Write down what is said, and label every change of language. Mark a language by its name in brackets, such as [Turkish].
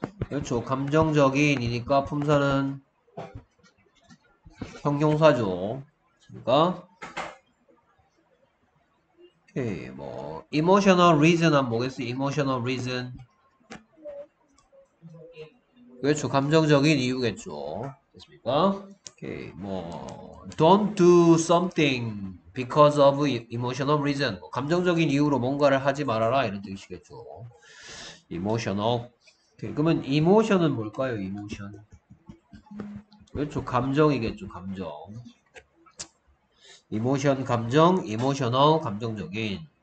[Korean] 그렇죠, 감정적인이니까 품사는 형용사죠. 그러니까 오케이. 뭐 emotional reason은 뭐겠어? emotional reason. 그렇죠, 감정적인 이유겠죠. 됐습니까? 오케이. [English] 뭐 don't do something because of emotional reason. [Korean] 뭐, 감정적인 이유로 뭔가를 하지 말아라, 이런 뜻이겠죠. emotional. 오케이. 그러면 emotion은 뭘까요? emotion. 그렇죠, 감정이겠죠. 감정. emotion 감정, emotional 감정적인.